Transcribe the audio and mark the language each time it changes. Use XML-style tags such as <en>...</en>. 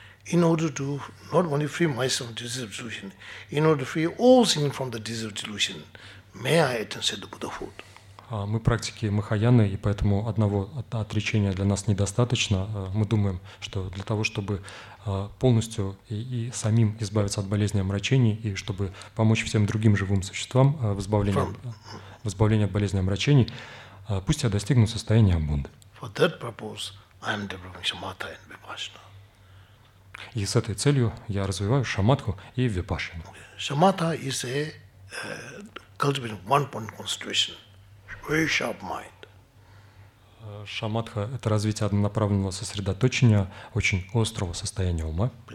<en>In order to not only free myself from deceptive delusion, in order to free all sins from the deceptive delusion, may I attain the Buddhahood.</en> <ru>Мы практики Махаяны, и поэтому одного отречения для нас недостаточно. Мы думаем, что для того, чтобы полностью и самим избавиться от болезни омрачений, и чтобы помочь всем другим живым существам в избавлении от болезни омрачений, пусть я достигну состояния Будды.</ru> <en>For that purpose, I am developing shamatha and vipassana.</en> <ru>И с этой целью я развиваю шамадху и випассану.</ru> <en>Shamatha is a cultivating one-point concentration. Very sharp mind.</en> <ru>Шамадха — это развитие однонаправленного сосредоточения, очень острого состояния ума.</ru>